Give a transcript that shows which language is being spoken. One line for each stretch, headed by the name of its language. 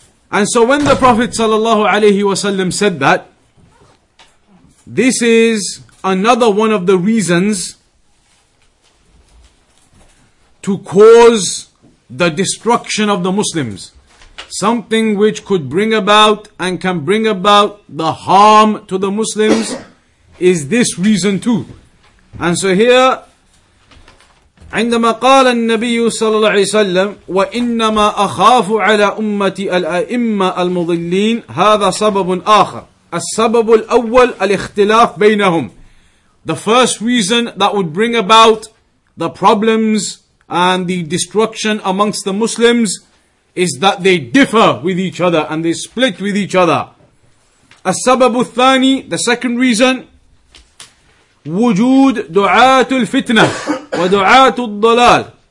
English: And so when the Prophet sallallahu alaihi wasallam said that, this is another one of the reasons to cause the destruction of the Muslims. Something which could bring about and can bring about the harm to the Muslims is this reason too. And so here,
Arabic: عندما قال النبي صلى الله عليه وسلم وإنما أخاف على أمتي الأئمة المضلين هذا سبب آخر. السبب الأول الاختلاف بينهم.
English: The first reason that would bring about the problems and the destruction amongst the Muslims is that they differ with each other and they split with each other.
Arabic: السبب الثاني,
English: the second reason,
Arabic: وجود دعاة الفتنة ودعاة الضلال.